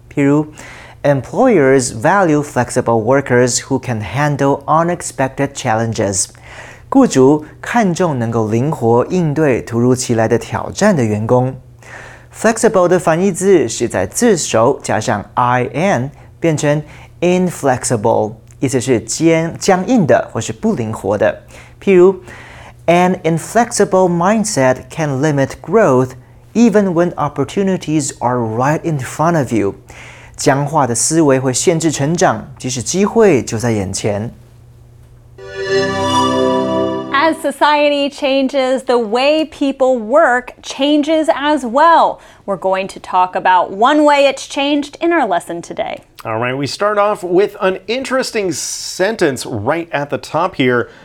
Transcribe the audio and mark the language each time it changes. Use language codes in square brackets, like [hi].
[en] 譬如 employers value flexible workers who can handle unexpected challenges. [zh] 雇主看重能够灵活应对突如其来的挑战的员工。 Flexible 的反义字是在自首加上 IN 变成 inflexible, 意思是僵硬的或是不灵活的。 [en] 譬如 An inflexible mindset can limit growth even when opportunities are right in front of you. [zh] 僵化的思维会限制成长，即使机会就在眼前。 [en] As society changes, the way people work changes as well. We're going to talk about one way it's changed in our lesson today. All right, we start off with an interesting sentence right at the top here.